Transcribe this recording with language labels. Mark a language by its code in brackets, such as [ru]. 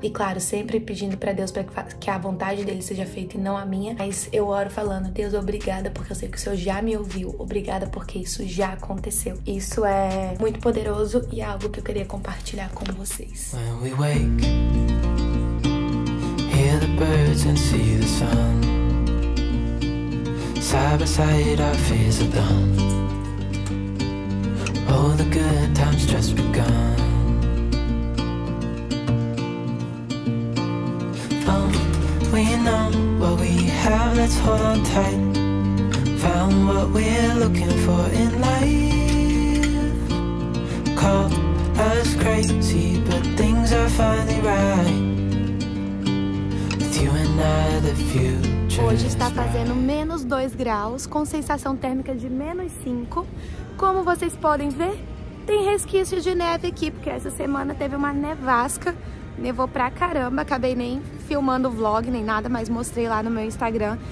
[pt] E claro, sempre pedindo para Deus para que a vontade dele seja feita e não a minha. Mas eu oro falando: Deus, obrigada, porque eu sei que o Senhor já me ouviu. Obrigada porque isso já aconteceu. Isso é muito poderoso e é algo que eu queria compartilhar com vocês. [en] Hear the birds and see the sun. Side by side, our fears are done. Oh, the good times just begun. Oh, we know what we have, let's hold on tight. Found what we're looking for in life. Call us crazy, but things are finally right. With you and I, the future. [pt] Hoje está fazendo menos 2 graus, com sensação térmica de menos 5. Como vocês podem ver, tem resquício de neve aqui, porque essa semana teve uma nevasca, nevou pra caramba, acabei nem filmando vlog nem nada, mas mostrei lá no meu Instagram.